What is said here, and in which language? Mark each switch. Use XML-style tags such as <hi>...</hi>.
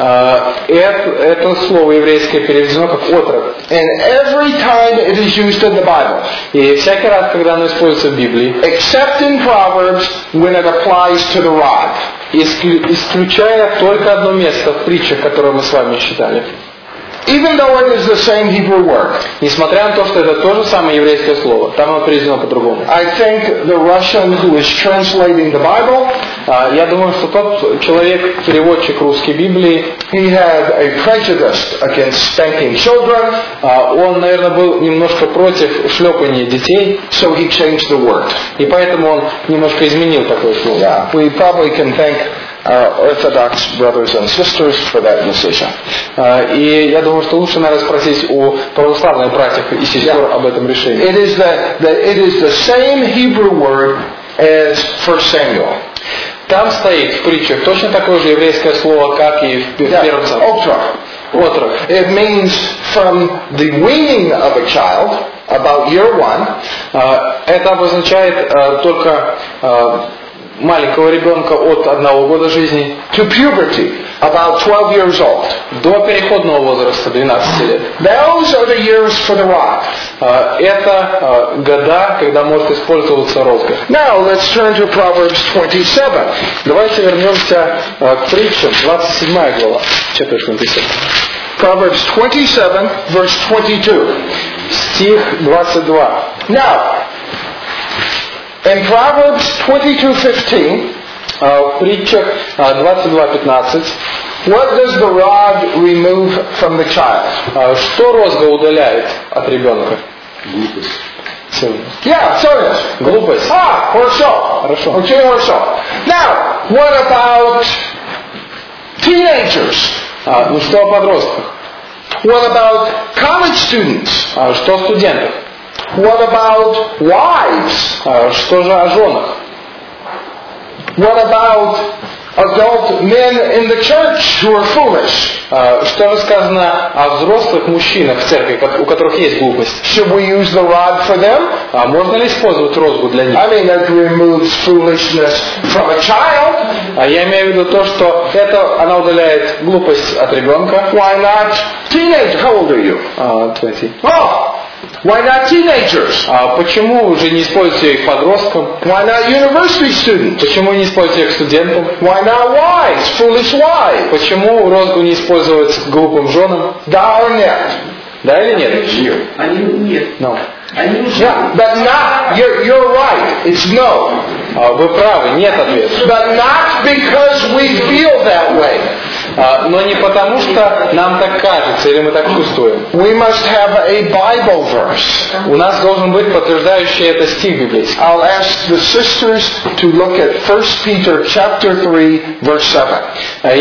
<ru>это слово еврейское переведено как отрок.</ru> <en>And every time it is used in the Bible.</en> <ru>И всякий раз, когда оно используется в Библии.</ru> <en>Except in Proverbs when it applies to the rod.</en> <ru>Исключая только одно место в притчах, которое мы с вами считали.</ru> <en>Even though it is the same Hebrew word.</en> <ru>Несмотря на то, что это то же самое еврейское слово, там оно произнесено по-другому.</ru> <en>I think the Russian who is translating the Bible,</en> <ru>я думаю, что тот человек, переводчик русской Библии,</ru> <en>he had a prejudice against spanking children,</en> <ru>он, наверное, был немножко против шлепания детей,</ru> <en>so he changed the word.</en> <ru>И поэтому он немножко изменил такое слово.</ru> <en>Yeah. We probably can thank our Orthodox brothers and sisters for that decision.</en> <ru>И я думаю, что лучше, наверное, спросить у православных братьев и сестер об этом решении.</ru> <en>It is that it is the same Hebrew word as 1 Samuel.</en> <ru>Там стоит в притчах точно такое же еврейское слово, как и в первом царстве. Отрок. Отрок.</ru> <en>It means from the weaning of a child about year one.</en> <ru>Это обозначает только маленького ребенка от одного года жизни</ru> <en>to puberty, about 12 years old.</en> <ru>До переходного возраста 12 лет.</ru> <en>Those are the years for the rod.</en> <ru>Это года, когда может использоваться рог.</ru> <en>Now let's turn to Proverbs 27.</en> <ru>Давайте вернемся к притчам, 27 глава,</ru> <en>chapter 27. Proverbs 27, verse 22.</en> <ru>Стих 22.</ru> <en>Now. In Proverbs 22:15, what does the rod remove from the child?</en> <ru>Что розга удаляет от ребенка? Глупость.</ru> <en>Yeah, sorry.</en> <ru>Глупость. Ah, хорошо. Хорошо. Очень хорошо.</ru> <en>Now, what about teenagers?</en> <ru>Ну что о подростках?</ru> <en>What about college students?</en> <ru>Что о студентах?</ru> <en>What about wives?</en> <ru>Что же о женах?</ru> <en>What about adult men in the church who are foolish?</en> <ru>Что же сказано о взрослых мужчинах в церкви, у которых есть глупость?</ru> <en>Should we use the rod for them?</en> <ru>Можно ли использовать розгу для них?</ru> <en>I mean that removes foolishness from a child.</en> <ru>Я имею в виду то, что это она удаляет глупость от ребенка.</ru> <en>Why not teenage? How old are you? 20. Oh. Why not teenagers?</en> <ru>Почему уже не используете их подросткам?</ru> <en>Why not university students?</en> <ru>Почему не используете их студентам?</ru> <en>Why not wives? Foolish wives?</en> <ru>Почему розгу не использовать глупым женам? Да или нет? Да или нет? Нет. Они нет.</ru> <en>No.</en> <ru>Они уже.</ru> <en>Yeah, but not. You're right. It's no.</en> <ru>Вы правы. Нет ответа.</ru> <en>But not because we feel that way.</en> <ru>Но не потому, что нам так кажется или мы так чувствуем.</ru> <en>We must have a Bible verse.</en> <ru>У нас должен быть подтверждающий это стих библейский.</ru> <en>I'll ask the sisters to look at 1 Peter chapter 3, verse 7.</en>